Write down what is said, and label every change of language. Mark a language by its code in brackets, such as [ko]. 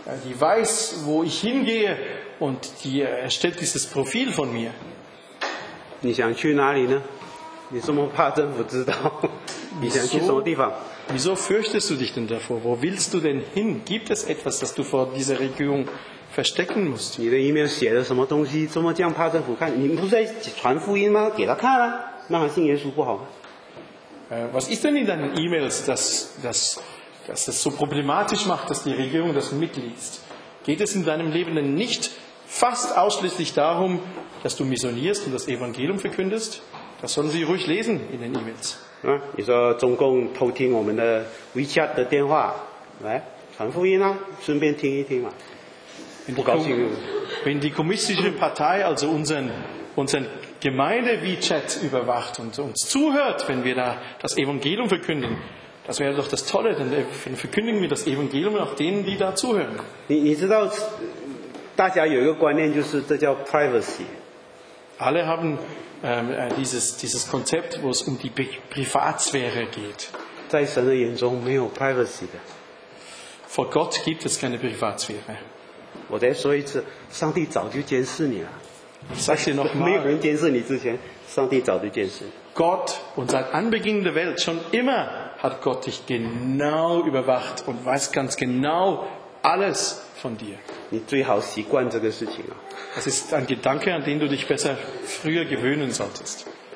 [de] Die weiß, wo ich hingehe und die erstellt dieses Profil von mir. [zh] 你想去哪里呢?你这么怕政府知道?你想去什么地方? [de] Wieso fürchtest du dich denn davor? Wo willst du denn hin? Gibt es etwas, das du vor dieser Regierung verstecken musst? [zh] 你的E-Mail写的什么东西这么这样怕政府看?你不是在传福音吗?给他看啊。 [de] Was ist denn in deinen E-Mails, dass das so problematisch macht, dass die Regierung das mitliest? Geht es in deinem Leben denn nicht fast ausschließlich darum, dass du missionierst und das Evangelium verkündest? Das sollen sie ruhig lesen in den E-Mails. [zh] Ja, 你说中共偷听我们的 WeChat的电话, 来传福音啊，顺便听一听嘛。 [de] Wenn die kommunistische Partei also unseren Gemeinde WeChat überwacht und uns zuhört, wenn wir da das Evangelium verkünden. Das wäre doch das Tolle, denn verkündigen wir das Evangelium auch denen, die da zuhören. [zh] 你知道大家有一个观念就是这叫privacy. [de] Alle haben dieses Konzept, wo es um die Privatsphäre geht. [zh] 在神的眼中没有privacy的. [de] Vor Gott gibt es keine Privatsphäre. [zh] 我再说一次，上帝早就监视你了。 [de] Gott und seit Anbeginn der Welt schon immer hat Gott dich genau überwacht und weiß ganz genau alles von dir. Das ist ein Gedanke, an den du dich besser früher gewöhnen solltest.